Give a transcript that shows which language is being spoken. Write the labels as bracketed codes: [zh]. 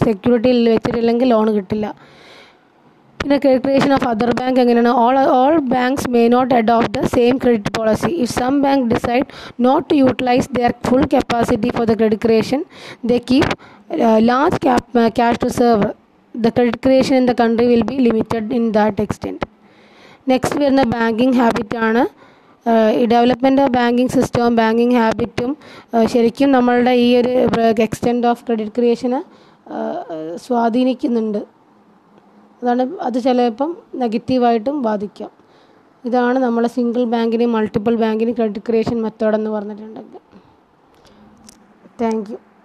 [ml] Security വെച്ചിട്ടില്ലെങ്കിൽ loan കിട്ടില്ല. പിന്നെ [en] credit creation of other bank [ml] എങ്ങനെയാണ്? [en] All banks may not adopt the same credit policy. If some bank decide not to utilise their full capacity for the credit creation, the keep large cash reserve. The credit creation in the country will be limited in that extent. Next, we are in the banking habit. Development of banking system, banking habit. [ml] ശരിക്കും നമ്മളുടെ ഈ ഒരു extend of credit ക്രിയേഷന് സ്വാധീനിക്കുന്നുണ്ട്. അതാണ് അത് ചിലപ്പം നെഗറ്റീവായിട്ടും ബാധിക്കാം. ഇതാണ് നമ്മളെ സിംഗിൾ ബാങ്കിന് മൾട്ടിപ്പിൾ ബാങ്കിന് ക്രെഡിറ്റ് ക്രിയേഷൻ മെത്തേഡെന്ന് പറഞ്ഞിട്ടുണ്ടെങ്കിൽ. Thank you.